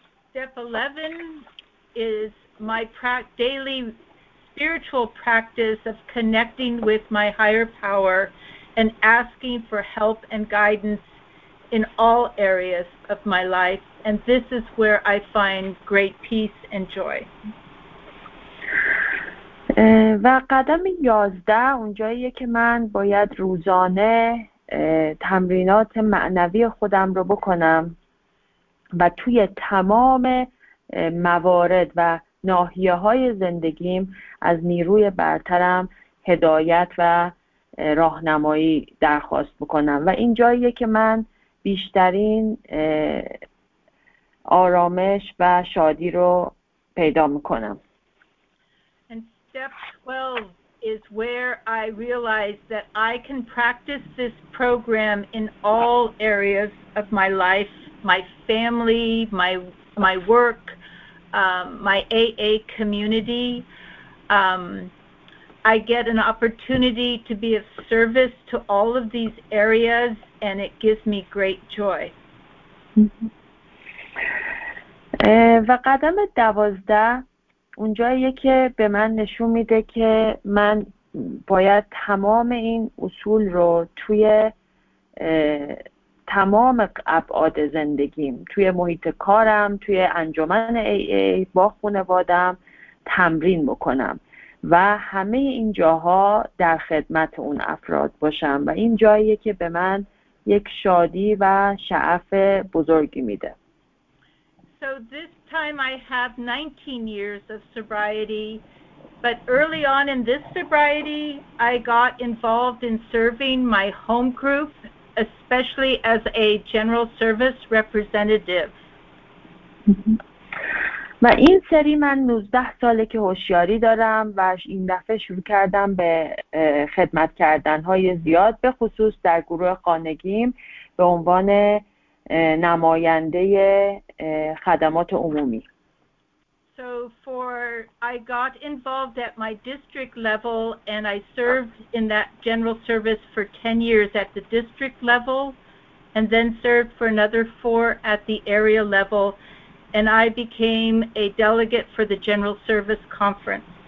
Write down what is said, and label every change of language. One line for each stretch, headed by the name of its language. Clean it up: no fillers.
English: Step 11 is my daily spiritual practice of connecting with my higher power and asking for help and guidance in all areas of my life. And this is where I find great peace and joy.
Persian: و قدم 11 اونجاییه که من باید روزانه تمرینات معنوی خودم رو بکنم و توی تمام موارد و ناحیه‌های زندگیم از نیروی برترم هدایت و راهنمایی درخواست بکنم و این جاییه که من بیشترین آرامش و شادی رو پیدا می‌کنم.
English: And step 12 is where I realize that I can practice this program in all areas of my life, my family, my work, my AA community. I get an opportunity to be of service to all of these areas, and it gives me great joy.
Persian: و قدم 12 اونجاییه که به من نشون میده که من باید تمام این اصول رو توی تمام ابعاد زندگیم، توی محیط کارم، توی انجمن AA، با خانوادم تمرین بکنم و همه این جاها در خدمت اون افراد باشم و این جاییه که به من یک شادی و شعف بزرگی میده.
English: So this time I have 19 years of sobriety, but early on in this sobriety, I got involved in serving my home group, especially as a general service representative.
Persian: و این سری من 19 ساله که هوشیاری دارم و این دفعه شروع کردم به خدمت کردن‌های زیاد، به خصوص در گروه خانگیم به عنوان نماینده خدمات عمومی.
English: So I got involved at my district level and I served in that general service for 10 years at the district level and then served for another 4 at the area level and I became a delegate for the general service conference.